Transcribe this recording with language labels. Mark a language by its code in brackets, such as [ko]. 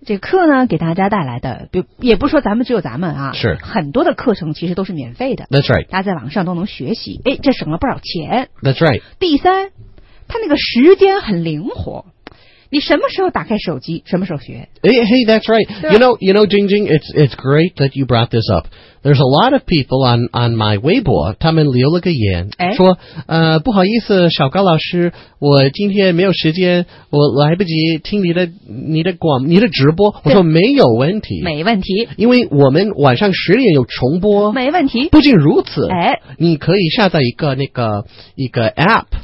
[zh] 这个课呢，给大家带来的，也不说咱们只有咱们啊，是很多的课程其实都是免费的。 [en] That's right. [zh] 大家在网上都能学习，哎，这省了不少钱。 [en] That's right. [zh] 第三，它那个时间很灵活。你什么时候打开手机，什么时候学。 [en] Hey, that's right. You know, Jing Jing, it's great that you brought this up. There's a lot of people on my Weibo, [zh] 他们留了个言、哎、说、不好意思小高老师，我今天没有时间，我来不及听你的直播。我说没有问题。没问题。因为我们晚上十点有重播。没问题。不仅如此、哎、你可以下载一个 app,